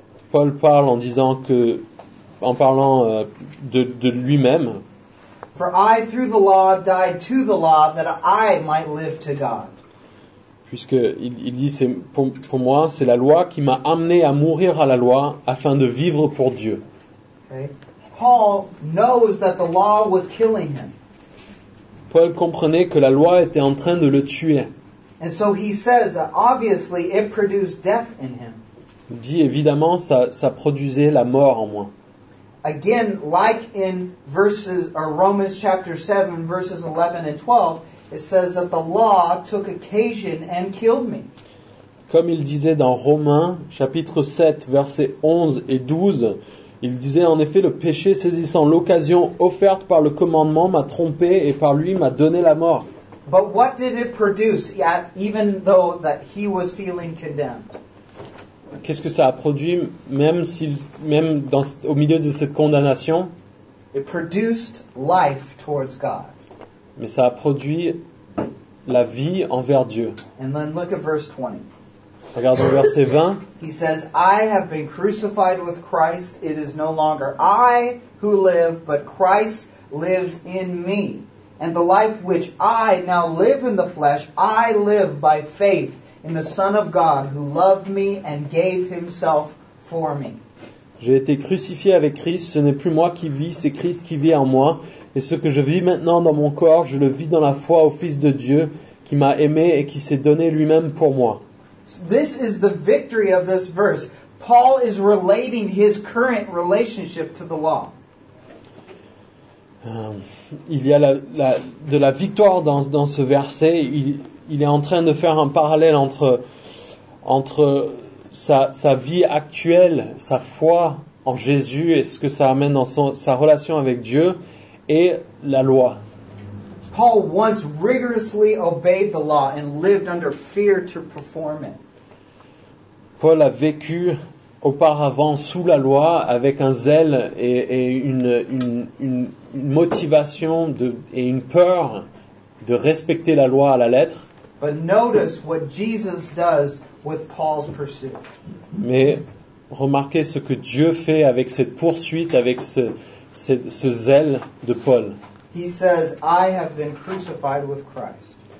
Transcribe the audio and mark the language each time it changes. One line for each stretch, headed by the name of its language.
French: Paul parle en disant que, en parlant de lui-même.
English: For I through the law died to the law that I might live to God.
French: Puisque il dit c'est pour moi c'est la loi qui m'a amené à mourir à la loi afin de vivre pour Dieu.
English: Okay. Paul knows that the law was killing him.
French: Paul comprenait que la loi était en train de le tuer.
English: And so he says that obviously it produced death in him.
French: Il dit évidemment ça produisait la mort en moi.
English: Again, like in verses or Romans chapter 7 verses 11 and 12, it says that the law took occasion and killed me.
French: Comme il disait dans Romains chapitre 7 versets 11 et 12, il disait en effet le péché saisissant l'occasion offerte par le commandement m'a trompé et par lui m'a donné la mort.
English: But what did it produce, even though that he was feeling condemned?
French: Qu'est-ce que ça a produit, même au milieu de cette condamnation?
English: It produced life towards God.
French: Mais ça a produit la vie envers Dieu.
English: And then look at verse 20.
French: Regarde au verset 20.
English: He says, I have been crucified with Christ. It is no longer I who live, but Christ lives in me. And the life which I now live in the flesh, I live by faith in the Son of God who loved me and gave himself for me.
French: J'ai été crucifié avec Christ, ce n'est plus moi qui vis, c'est Christ qui vit en moi. Et ce que je vis maintenant dans mon corps, je le vis dans la foi au Fils de Dieu qui m'a aimé et qui s'est donné lui-même pour moi.
English: So this is the victory of this verse. Paul is relating his current relationship to the law.
French: Il y a de la victoire dans ce verset. Il est en train de faire un parallèle entre sa vie actuelle, sa foi en Jésus et ce que ça amène dans sa relation avec Dieu et la loi.
English: Paul once rigorously obeyed the law and lived under fear to perform it.
French: Paul a vécu auparavant sous la loi avec un zèle et une motivation et une peur de respecter la loi à la lettre.
English: But notice what Jesus does with Paul's pursuit.
French: Mais remarquez ce que Dieu fait avec cette poursuite, avec ce zèle de Paul.
English: He says, I have been crucified with Christ.